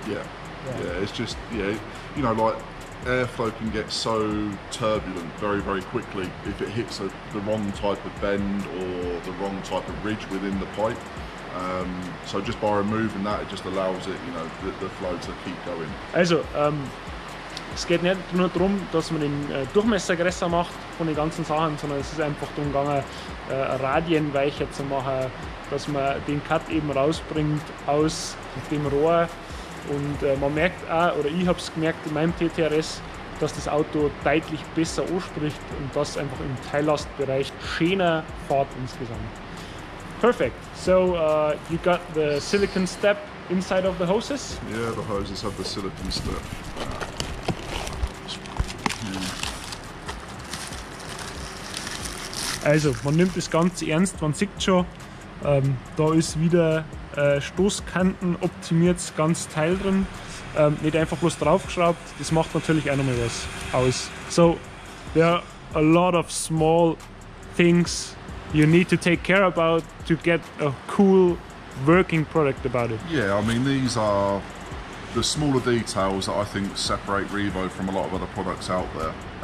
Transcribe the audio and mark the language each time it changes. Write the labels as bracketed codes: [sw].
[en] Yeah, it's just, you know, like airflow can get so turbulent very, very quickly if it hits the wrong type of bend or the wrong type of ridge within the pipe. So just by removing that, it just allows it, you know, the flow to keep going. [de] Also, es geht nicht nur darum, dass man den Durchmesser größer macht von den ganzen Sachen, sondern es ist einfach darum gegangen, Radien weicher zu machen, dass man den Cut eben rausbringt aus dem Rohr. Und man merkt auch, oder ich habe es gemerkt in meinem TTRS, dass das Auto deutlich besser anspricht und dass einfach im Teillastbereich schöner fährt insgesamt. [en] Perfect. So you got the silicon step inside of the hoses? Yeah, the hoses have the silicon step. [de] Also, man nimmt das ganz ernst, man sieht schon, da ist wieder Stoßkanten optimiert, ganz Teil drin. Nicht einfach bloß draufgeschraubt, das macht natürlich auch nochmal was aus. [en] So, there are a lot of small things you need to take care about to get a cool working product about it. Yeah, I mean, these are the smaller details that I think separate Revo from a lot of other products out there.